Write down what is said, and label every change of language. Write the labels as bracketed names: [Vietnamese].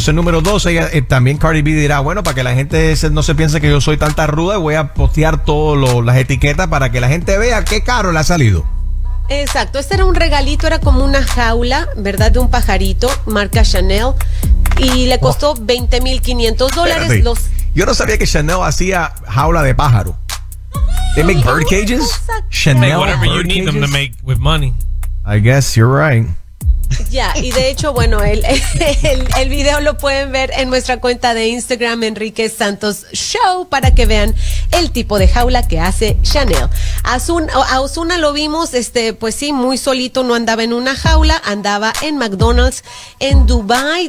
[Spanish] Entonces, número dos, ella, también Cardi B dirá, bueno, para que la gente no se piense que yo soy tanta ruda, voy a postear todas las etiquetas para que la gente vea qué caro ha salido. Exacto, este era un regalito, era como una jaula, ¿verdad? De un pajarito, marca Chanel, y le costó $20,500. Yo no sabía que Chanel hacía jaula de pájaro. [English] They make bird cages? Chanel, make whatever you need cages. Them to make with money. I guess you're right. [Spanish] Ya, yeah, y de hecho, bueno, el video lo pueden ver en nuestra cuenta de Instagram, Enrique Santos Show, para que vean el tipo de jaula que hace Chanel. A Ozuna lo vimos, pues sí, muy solito, no andaba en una jaula, andaba en McDonald's en Dubai.